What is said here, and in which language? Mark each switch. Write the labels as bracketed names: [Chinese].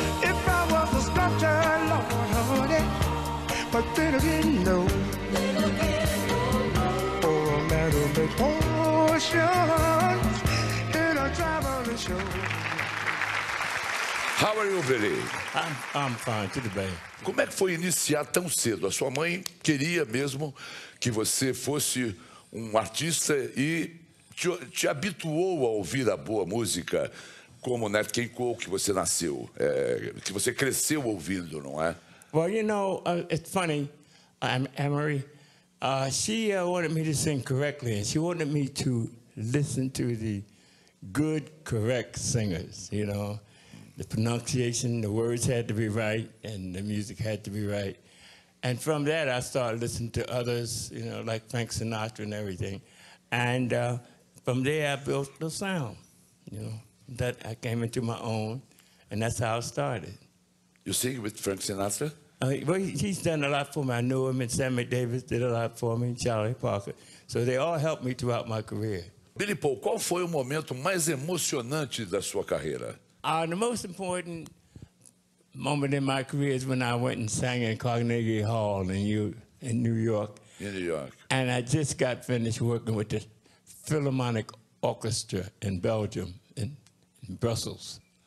[English] If I was a sculptor, Lord, honey. But then again, no. Or a man who made potions in a traveling show. How are you, Billy? I'm fine, [Portuguese] tudo bem. Como é que foi iniciar tão cedo? A sua mãe queria mesmo que você fosse um artista e te habituou a ouvir a boa música, como Nat King Cole, que você nasceu, que você cresceu ouvindo, não é? [English] Well, you know, it's funny, Emery, she wanted me to sing correctly, and she wanted me to listen to the good, correct singers, you know? The pronunciation, the words had to be right, and the music had to be right. And from that, I started listening to others, you know, like Frank Sinatra and everything. And from there, I built the sound, you know, that I came into my own, and that's how it started. You sing with Frank Sinatra? He's done a lot for me. I knew him, and Sammy Davis did a lot for me, and Charlie Parker. So they all helped me throughout my career. [Portuguese] Billy Paul, qual foi o momento mais emocionante da sua carreira? [English] The most important moment in my career is when I went and sang in Carnegie Hall in New York. In New York. And I just got finished working with the Philharmonic Orchestra in Belgium, in Brussels.